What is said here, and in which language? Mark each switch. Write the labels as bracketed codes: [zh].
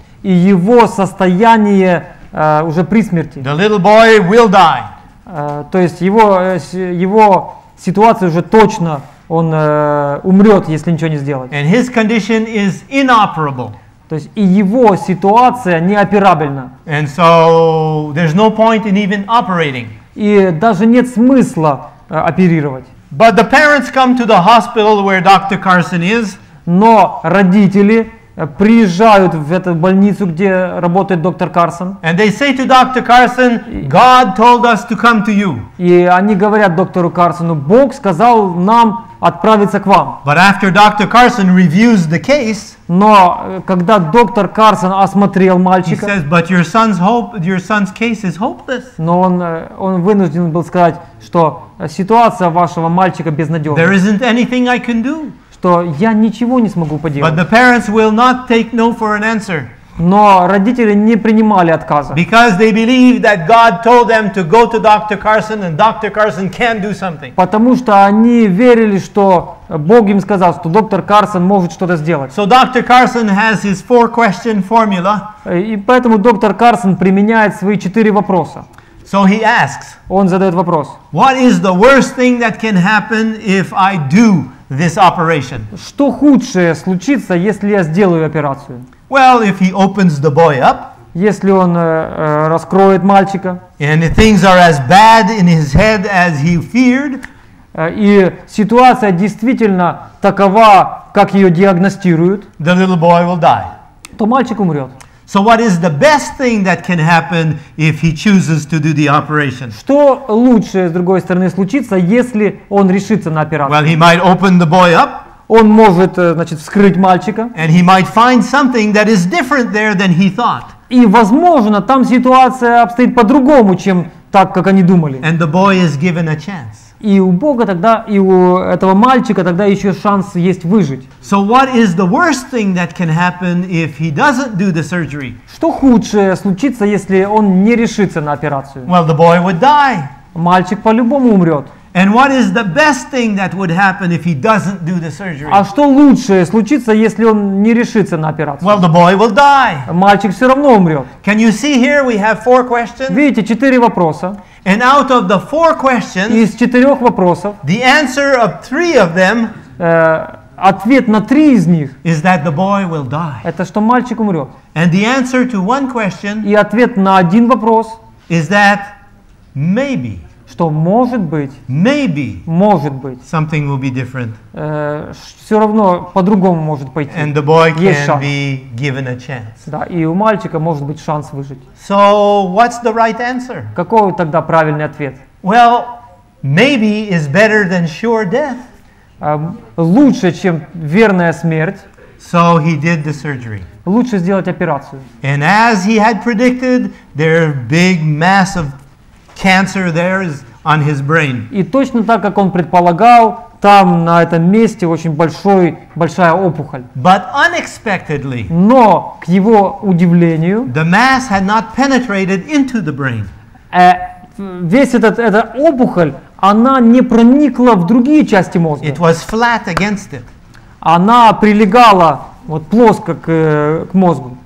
[ru] И его состояние уже при смерти. [en] The little boy will die. [ru] То есть его ситуация уже точно, он умрет, если ничего не сделать. [en] And his condition is inoperable. [ru] То есть и его ситуация неоперабельна. [en] And so there's no point in even operating. [ru] И даже нет смысла оперировать. [en] But the parents come to the hospital where Dr. Carson is. [ru] Но родители приезжают в эту больницу, где работает доктор Карсон. [en] And they say to Dr. Carson, God told us to come to you. [ru] И они говорят доктору Карсону, Бог сказал нам отправиться к вам. [en] But after Dr. Carson reviews the case, [ru] но когда доктор Карсон осмотрел мальчика, [en] he says, but your son's case is hopeless. [ru] Но он вынужден был сказать, что ситуация вашего мальчика безнадежна. [en] There isn't anything I can do. [ru] Что я ничего не смогу поделать. [en] But the parents will not take no for an answer. [ru] Но родители не принимали отказа. [en] Because they believe that God told them to go to Dr. Carson and Dr. Carson can do something. [ru] Потому что они верили, что Бог им сказал, что доктор Карсон может что-то сделать. [en] So Dr. Carson has his four question formula. [ru] И поэтому доктор Карсон применяет свои четыре вопроса. [en] So he asks. [ru] Он задает вопрос. [en] What is the worst thing that can happen if I do this operation? [ru] Что худшее случится, если я сделаю операцию? [en] Well, if he opens the boy up, [ru] если он раскроет мальчика, [en] and things are as bad in his head as he feared, [ru] и ситуация действительно такова, как ее диагностируют, [en] the little boy will die. [ru] То мальчик умрет. [en] So what is the best thing that can happen if he chooses to do the operation? [ru] Что лучше, с другой стороны, случится, если он решится на операцию? [en] Well, he might open the boy up. [ru] Он может, значит, вскрыть мальчика. [en] And he might find something that is different there than he thought. [ru] И, возможно, там ситуация обстоит по-другому, чем так, как они думали. [en] And the boy is given a chance. [ru] И у Бога тогда, и у этого мальчика тогда еще шанс есть выжить. [en] So what is the worst thing that can happen if he doesn't do the surgery? [ru] Что худшее случится, если он не решится на операцию? [en] Well, the boy would die. [ru] Мальчик по-любому умрет. [en] And what is the best thing that would happen if he doesn't do the surgery? [ru] А что лучшее случится, если он не решится на операцию? [en] Well, the boy will die. [ru] Мальчик все равно умрет. [en] Can you see here we have four questions? [ru] Видите, четыре вопроса. [en] And out of the four questions, [ru] из четырех вопросов, [en] the answer of three of them, [ru] ответ на три из них, [en] is that the boy will die. [ru] Это что мальчик умрет. [en] And the answer to one question, [ru] и ответ на один вопрос, [en] is that maybe. [ru] Что может быть? [en] Maybe. [ru] Может быть. [en] Something will be different. [ru] Все равно по-другому может пойти. [en] And the boy can be given a chance. [ru] Да, и у мальчика может быть шанс выжить. [en] So what's the right answer? [ru] Какой тогда правильный ответ? [en] Well, maybe is better than sure death. [ru] Лучше, чем верная смерть. [en] So he did the surgery. [ru] Лучше сделать операцию. [en] And as he had predicted, there big mass of cancer there is on his brain. [ru] И точно так, как он предполагал, там на этом месте очень большая опухоль. [en] But unexpectedly. [ru] Но к его удивлению, [en] the mass had not penetrated into the brain. [ru] Весь эта опухоль, она не проникла в другие части мозга. [en] It was flat against it. [ru] Она прилегала вот плоско к мозгу.